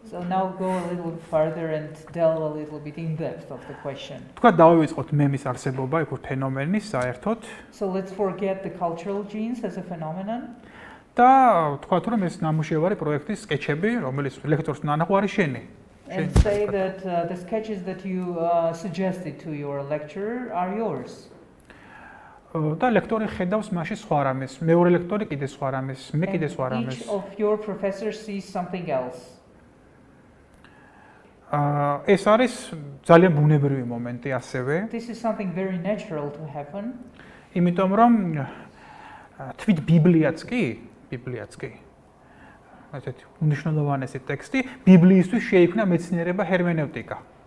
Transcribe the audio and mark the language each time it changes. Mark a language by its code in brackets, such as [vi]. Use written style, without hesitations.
[en] So now go a little further and delve a little bit in depth of the question. [ka] თქვა დავივიწყოთ მემის არსებობა, ეგ ფენომენი საერთოდ. [en] So let's forget the cultural genes as a phenomenon. [ka] და თქვათ რომ ეს ნამუშევარი პროექტის სკეჩები, რომელიც ლექტორს ნანახო არის შენი. [en] And say that the sketches that you suggested to your lecturer are yours. [ka] და ლექტორი ხედავს მაშინ სხვა რამეს, მეორე ლექტორი კიდე სხვა რამეს, მე კიდე სხვა რამეს. [en] Each of your professors sees something else. [ka] ეს არის ძალიან ბუნებრივი მომენტი ასევე. [en] This is something very natural to happen. [ka] იმიტომ რომ თვით ბიბლიაც კი ასეთი უნიშნელოვანესი ტექსტი ბიბლიისთვის შეიქმნა მეცნიერება ჰერმენევტიკა.